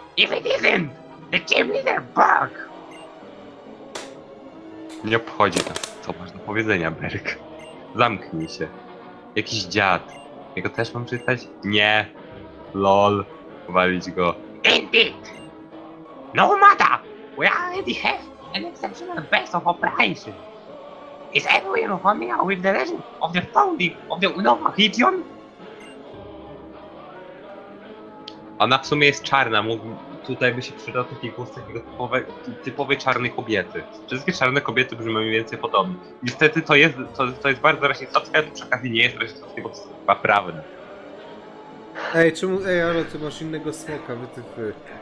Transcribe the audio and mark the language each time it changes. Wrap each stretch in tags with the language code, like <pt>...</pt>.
<en>If it isn't, the team leader bug!</en> <pl>Nie obchodzi to, co masz do powiedzenia, Berk. Zamknij się. Jakiś dziad. Jego też mam czytać? Nie. Lol. Walić go.</pl> <en>Indeed! No matter! We already have an exceptional base of operation. Is everyone familiar with the legend of the founding of the Unova region?</en> <pl>Ona w sumie jest czarna, tutaj by się przydał taki głos takiego typowej czarnej kobiety. Wszystkie czarne kobiety brzmią mniej więcej podobnie. Niestety to jest bardzo rasistowskie, ale to przy okazji nie jest rasistowskie, bo to jest chyba prawne. Ej, czemu, ej, ale ty masz innego smoka, wytypy.</pl>